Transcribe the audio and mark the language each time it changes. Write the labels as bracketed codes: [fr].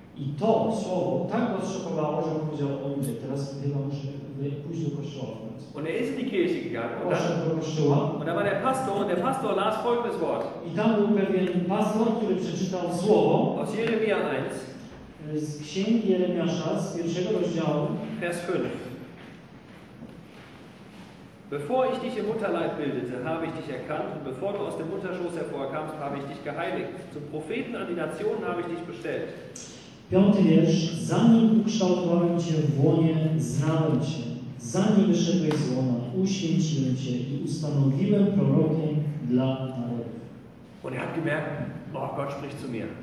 [pl] I to słowo tak go zszokowało, że on powiedział, o ludzie, teraz chyba muszę pójść do kościoła. [de] Und er ist in die Kirche gegangen. [pl] Do kościoła. [de] Und da war der Pastor las folgendes Wort. [pl] I tam był pewien pastor, który przeczytał słowo. [de] Aus Jeremia 1. [pl] Z księgi Jeremiasza, z pierwszego rozdziału. [de] Vers 5. Bevor ich dich im Mutterleib bildete, habe ich dich erkannt, und bevor du aus dem Mutterschoß hervorkamst, habe ich dich geheiligt. Zum Propheten an die Nationen habe ich dich bestellt. [pl] Piąty wiersz. Zanim ukształtowałem Cię w łonie, znałem Cię. Zanim wyszedłeś z łona, uświęciłem Cię i ustanowiłem prorokiem dla narodów. [de] Und er hat gemerkt, oh, Gott spricht zu mir.